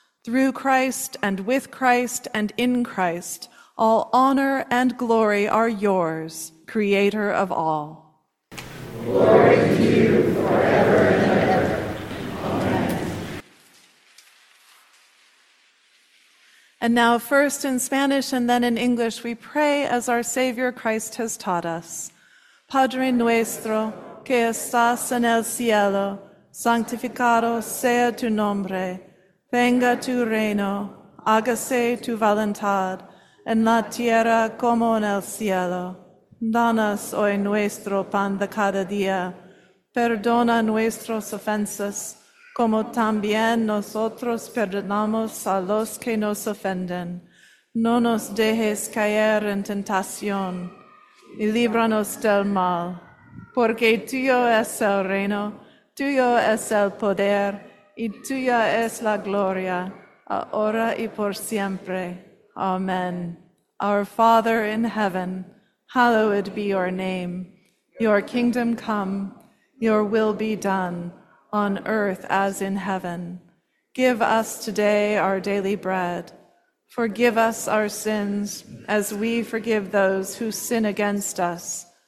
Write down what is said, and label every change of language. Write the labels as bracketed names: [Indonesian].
[English] Through Christ and with Christ and in Christ, all honor and glory are yours, Creator of all. Glory to you forever and ever. And now, first in Spanish and then in English, we pray as our Savior Christ has taught us. [Spanish] Padre nuestro, que estás en el cielo, santificado sea tu nombre, venga tu reino, hágase tu voluntad, en la tierra como en el cielo. Danos hoy nuestro pan de cada día, perdona nuestras ofensas, como también nosotros perdonamos a los que nos ofenden. No nos dejes caer en tentación, y líbranos del mal. Porque tuyo es el reino, tuyo es el poder, y tuya es la gloria, ahora y por siempre. Amen. [English] Our Father in heaven, hallowed be your name. Your kingdom come, your will be done, on earth as in heaven. Give us today our daily bread. Forgive us our sins, as we forgive those who sin against us.